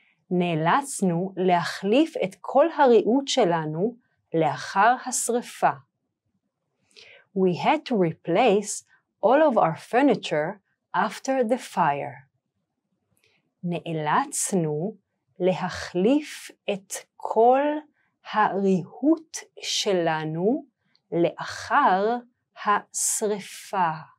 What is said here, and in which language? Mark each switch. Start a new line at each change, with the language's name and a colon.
Hebrew: נאלצנו להחליף את כל הריהוט שלנו לאחר השריפה.
English: We had to replace all of our furniture after the fire.
Hebrew: נאלצנו להחליף את כל הריהוט שלנו לאחר השריפה.